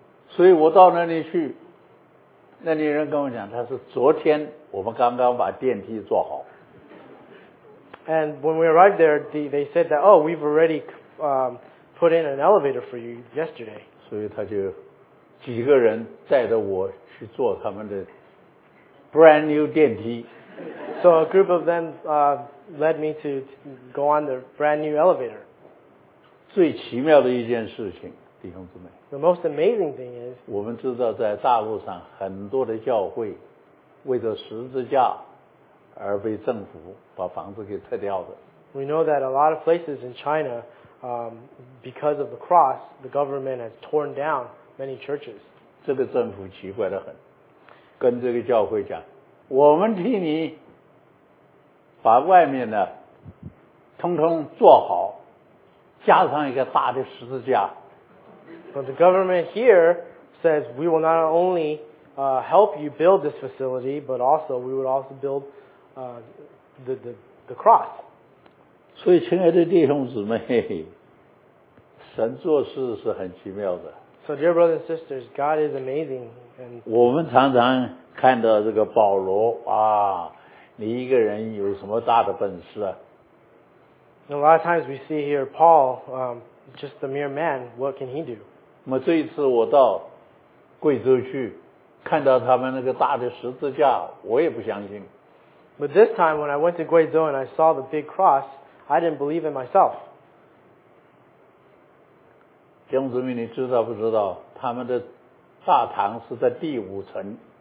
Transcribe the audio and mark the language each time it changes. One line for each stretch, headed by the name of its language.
Chinese: 所以我到那里去，那里人跟我讲，他说昨天我们刚刚把电梯做好。
English: And when we arrived there, they said that, oh, we've already put in an elevator for you yesterday.
Chinese: 所以他就几个人带着我去坐他们的
English: brand new
Chinese: 电梯。
English: So a group of them led me to go on the brand new elevator.
Chinese: 最奇妙的一件事情，弟兄姊妹。
English: The most amazing thing is.
Chinese: 我们知道在大陆上很多的教会为着十字架而被政府把房子给拆掉的。
English: We know that a lot of places in China, because of the cross, the government has torn down many churches.
Chinese: 这个政府奇怪得很。跟这个教会讲，我们替你把外面的通通做好，加上一个大的十字架。
English: But the government here says we will not only help you build this facility, but also we would also build the cross.
Chinese: 所以，亲爱的弟兄姊妹，神做事是很奇妙的。
English: So dear brothers and sisters, God is amazing.
Chinese: 我们常常看到这个保罗啊，你一个人有什么大的本事啊？
English: A lot of times we see here Paul, just a mere man, what can he do?
Chinese: 那么这一次我到贵州去，看到他们那个大的十字架，我也不相信。
English: But this time when I went to Guizhou and I saw the big cross, I didn't believe in myself.
Chinese: 弟兄姊妹，你知道不知道他们的大堂是在第五层？